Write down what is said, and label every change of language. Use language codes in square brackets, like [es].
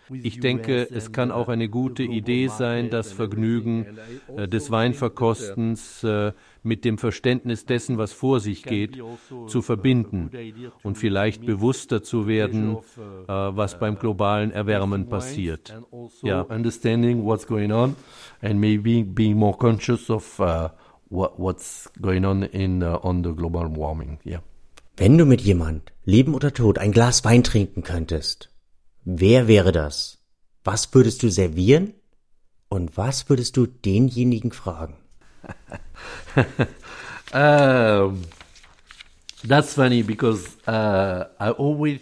[de] Ich denke, es kann auch eine gute Idee sein, das Vergnügen des Weinverkostens mit dem Verständnis dessen, was vor sich geht, zu verbinden und vielleicht bewusster zu werden, was beim globalen Erwärmen passiert. Ja. [en] Understanding what's going on and maybe being more conscious of what's going on on the global warming. Yeah. [de] Wenn du mit jemand, Leben oder Tod, ein Glas Wein trinken könntest, wer wäre das? Was würdest du servieren? Und was würdest du denjenigen fragen? [en] That's funny because I always.